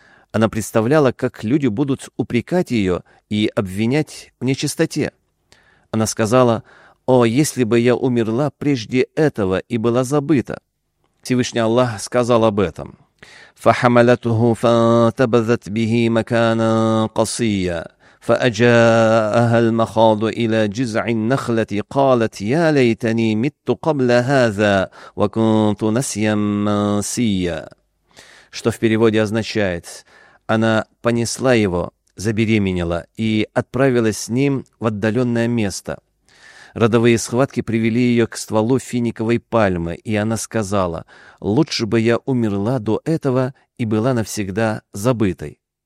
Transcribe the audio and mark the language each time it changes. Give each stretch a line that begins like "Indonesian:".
Russian: Она представляла, как люди будут упрекать ее и обвинять в нечистоте. Она сказала: «О, если бы я умерла прежде этого и была забыта!» Всевышний Аллах сказал об этом.
Arabic: «Фахамалатуху фантабазат бихи макана касия». فأجاءها المخاض إلى جذع النخلة قالت يا ليتني مت قبل هذا وكنت نسيا منسيا.
Russian: Что в переводе означает: она понесла его, забеременела и отправилась с ним в отдаленное место. Родовые схватки привели ее к стволу финиковой пальмы, и она сказала: лучше бы я умерла до этого и была навсегда забытой.